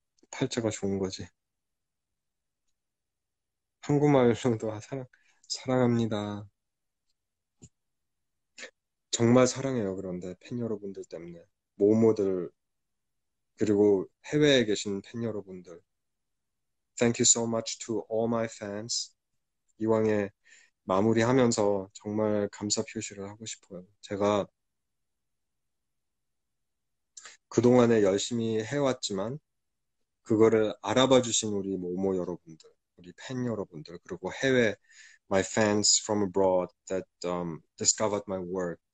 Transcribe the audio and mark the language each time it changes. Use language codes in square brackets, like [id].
[ko] 팔자가 좋은 거지. 한국말로도 사랑합니다. 정말 사랑해요, 그런데 팬 여러분들 때문에. 모모들, 그리고 해외에 계신 팬 여러분들. [en] Thank you so much to all my fans. [ko] 이왕에 마무리하면서 정말 감사 표시를 하고 싶어요. 제가 그동안에 열심히 해왔지만, 그거를 알아봐 주신 우리 모모 여러분들, 우리 팬 여러분들, 그리고 해외, [en] my fans from abroad that discovered my work.